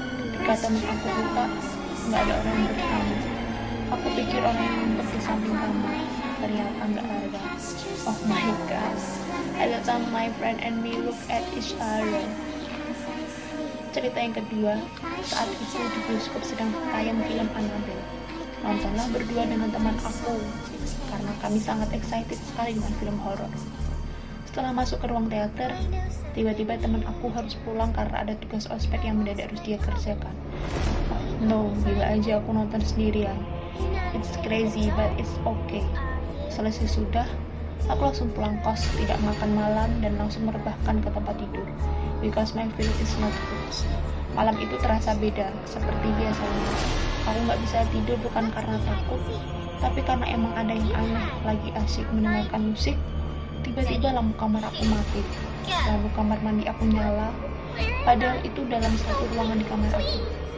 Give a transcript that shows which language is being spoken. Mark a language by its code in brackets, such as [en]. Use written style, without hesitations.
[id] Ketika temen aku buka, gak ada orang yang bertamu. Aku pikir orang yang ngumpet di samping kamu, ternyata gak ada. [en] Oh my god, at the time my friend and me look at each other. [id] Cerita yang kedua, saat itu di bioskop sedang tayang film Annabelle. Nontonlah berdua dengan teman aku, karena kami sangat excited sekali dengan film horor. Setelah masuk ke ruang teater, tiba-tiba teman aku harus pulang karena ada tugas ospek yang mendadak harus dia kerjakan. [en] No, [id] gila aja aku nonton sendirian. [en] It's crazy, but it's okay. [id] Selesai sudah, aku langsung pulang kos, tidak makan malam, dan langsung merebahkan ke tempat tidur. [en] Because my feeling is not good. [id] Malam itu terasa beda, seperti biasanya. Aku gak bisa tidur bukan karena takut, tapi karena emang ada yang aneh, lagi asyik mendengarkan musik, tiba-tiba lampu kamar aku mati. Lampu kamar mandi aku nyala, padahal itu dalam satu ruangan di kamar aku.